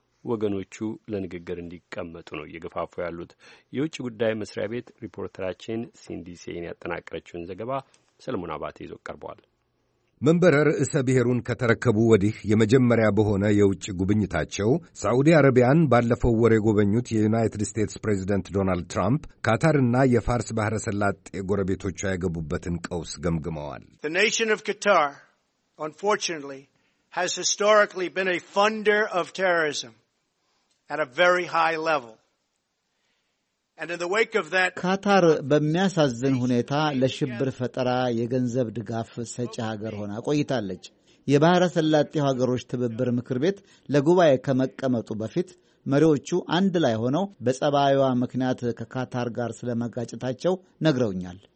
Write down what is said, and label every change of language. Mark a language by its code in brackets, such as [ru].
[am] ወገኖቹ ለንግግር እንዲቀመጡ ነው እየገፋፉ ያሉት። የውጭ ጉዳይ መስሪያ ቤት ሪፖርተራችን ሲንዲ ሴን ያጠናቀረችውን ዘገባ ሰለሞን አባቴ ይዞ ቀርቧል። መንበረ ርዕሰ ብሔሩን ከተረከቡ ወዲህ የመጀመሪያ በሆነ የውጭ ጉብኝታቸው ሳዑዲ አረቢያን ባለፈው ወር የጎበኙት የዩናይትድ ስቴትስ ፕሬዚደንት ዶናልድ ትራምፕ ካታርና የፋርስ ባሕረ ሰላጤ ጎረቤቶቿ የገቡበትን ቀውስ ገምግመዋል። [en] The nation of Qatar, unfortunately, has historically been a funder of terrorism at a very high level. And in the wake of that, [am] Qatar በሚያሳዝን ሁኔታ ለሽብር ፈጠራ የገንዘብ ድጋፍ ሰጪ ሀገር ሆና ቆይታለች። የባህረ ሰላጤ ሀገሮች ትብብር ምክር ቤት ለጉባኤ ከመቀመጡ በፊት መሪዎቹ አንድ ላይ ሆነው በጸባዩዋ ምክንያት ከካታር ጋር ስለመጋጨታቸው ነግረውኛል።